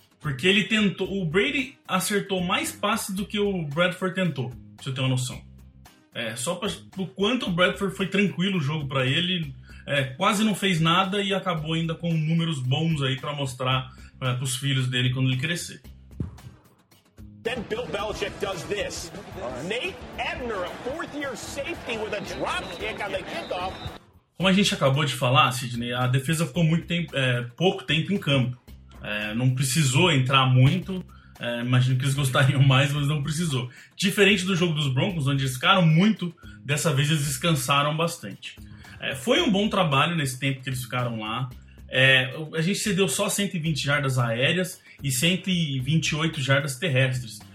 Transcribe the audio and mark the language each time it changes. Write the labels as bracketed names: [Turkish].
[Portuguese] Porque ele tentou. O Brady acertou mais passes do que o Bradford tentou, se eu tenho uma noção. É, só para o quanto o Bradford foi tranquilo o jogo para ele. É, quase não fez nada e acabou ainda com números bons aí para mostrar para os filhos dele quando ele crescer. [English] Then Bill Belichick does this. Nate Ebner, a fourth year safety with a drop kick on the kickoff. [Portuguese] Como a gente acabou de falar, Sidney, a defesa ficou muito tempo, pouco tempo em campo. É, não precisou entrar muito. É, imagino que eles gostariam mais, mas não precisou. Diferente do jogo dos Broncos, onde eles ficaram muito, dessa vez eles descansaram bastante. É, foi um bom trabalho nesse tempo que eles ficaram lá. É, a gente cedeu só 120 jardas aéreas e 128 jardas terrestres.